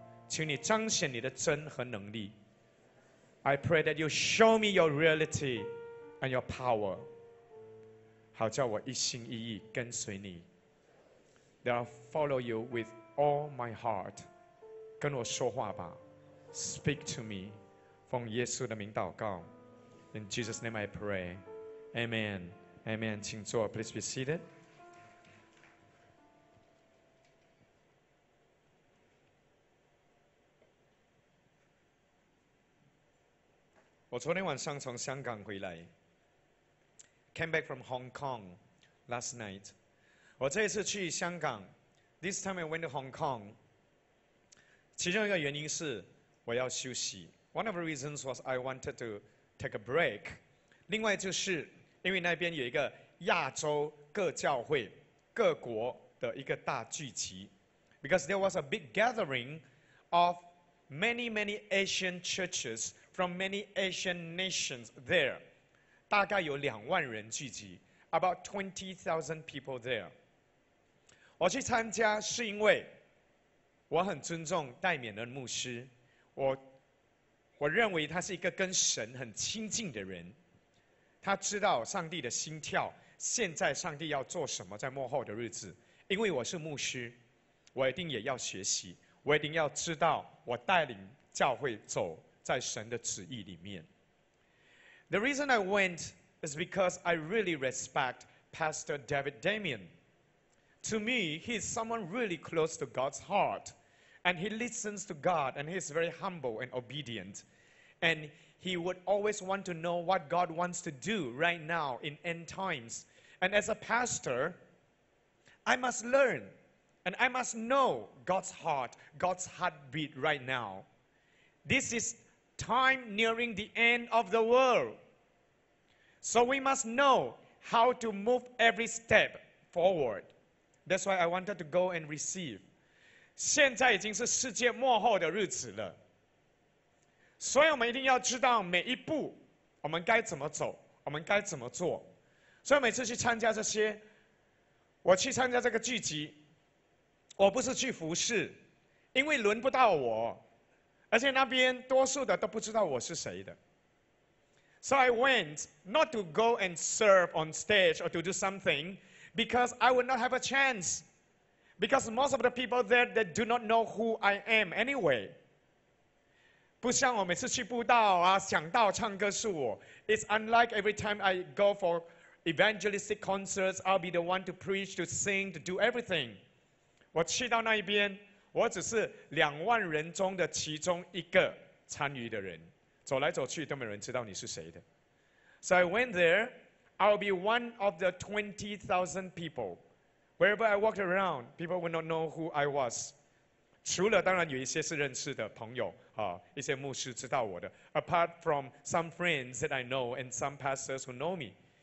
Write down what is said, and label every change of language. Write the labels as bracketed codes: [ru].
[zh] 请你彰显你的真和能力。 [en] I pray that you show me your reality and your power. [zh] 好叫我一心一意跟随你。 [en] That I'll follow you with all my heart. [zh] 跟我说话吧， [en] Speak to me. [zh] 奉耶稣的名祷告， [en] In Jesus' name I pray. Amen. Amen. [zh] 请坐 [en] ，please be seated。 [zh] 我昨天晚上从香港回来 ， [en] came back from Hong Kong last night。 [zh] 我这一次去香港 [en] ，this time I went to Hong Kong。 [zh] 其中一个原因是我要休息 [en] ，one of the reasons was I wanted to take a break。 [zh] 另外就是因为那边有一个亚洲各教会、各国的一个大聚集 ， [en] because there was a big gathering of many many Asian churches。 From many Asian nations there, [zh] 大概有两万人聚集 [en] ，about 20,000 people there. [zh] 我去参加是因为我很尊重戴冕的牧师，我认为他是一个跟神很亲近的人，他知道上帝的心跳，现在上帝要做什么在幕后的日子。因为我是牧师，我一定也要学习，我一定要知道我带领教会走。在神的旨意里面。 [en] The reason I went is because I really respect Pastor David Damien. To me, he is someone really close to God's heart, and he listens to God, and he is very humble and obedient, and he would always want to know what God wants to do right now in end times. And as a pastor, I must learn, and I must know God's heart, God's heartbeat right now. This is time nearing the end of the world. So we must know how to move every step forward. That's why I wanted to go and receive. [zh] 现在已经是世界末后的日子了。所以我们一定要知道每一步我们该怎么走，我们该怎么做。所以每次去参加这些，我去参加这个聚集，我不是去服事，因为轮不到我。而且那边多数的都不知道我是谁的。 [en] So I went not to go and serve on stage or to do something because I would not have a chance. Because most of the people there, they do not know who I am anyway. [zh] 不像我每次去布道啊，讲道唱歌是我。 [en] It's unlike every time I go for evangelistic concerts, I'll be the one to preach, to sing, to do everything. [zh] 我去到那一边，我只是两万人中的其中一个参与的人，走来走去都没人知道你是谁的。 [en] So I went there, I'll be one of the 20,000 people. Wherever I walked around, people would not know who I was. [zh] 除了当然有一些是认识的朋友，一些牧师知道我的。 [en] Apart from some friends that I know and some pastors who know me.